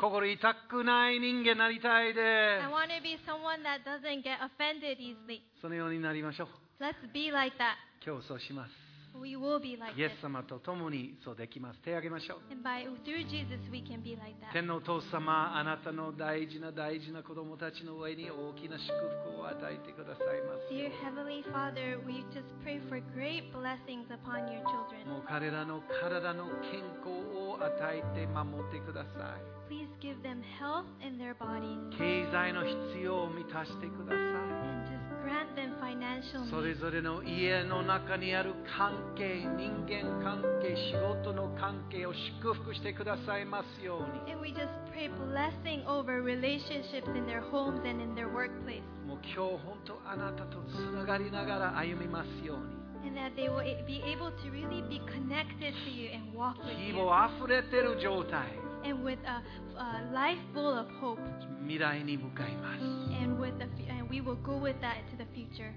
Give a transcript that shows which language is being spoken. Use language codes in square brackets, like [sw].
[ja] 心痛くない人間になりたいです。 [en] I want to be someone that doesn't get offended easily. [ja] そのようになりましょう。 [en] Let's be like that. [ja] 今日そうします。 [en] We will be like [ja] イエス様と共にそうできます。手を挙げましょう。 [en] And by, through Jesus, we can be like that. [ja] 天のお父様、あなたの大事な大事な子供たちの上に大きな祝福を与えてくださいます [en] よ。Dear Heavenly Father, we just pray for great blessings upon your children. [ja] もう彼らの体の健康を与えて守ってください。 [en] Please give them health in their bodies. [ja] 経済の必要を満たしてください。 [en] Grant them financial needs. [ja] それぞれの家の中にある関係、人間関係、仕事の関係を祝福してくださいますように。 [en] And we just pray blessing over relationships in their homes and in their workplace. [ja] もう今日本当あなたとつながりながら歩みますように。 [en] And that they will be able to really be connected to you and walk with you. [ja] 希望溢れてる状態。 [en] And with a life full of hope. [ja] 未来に向かいます。 [en] We will go with that to the future.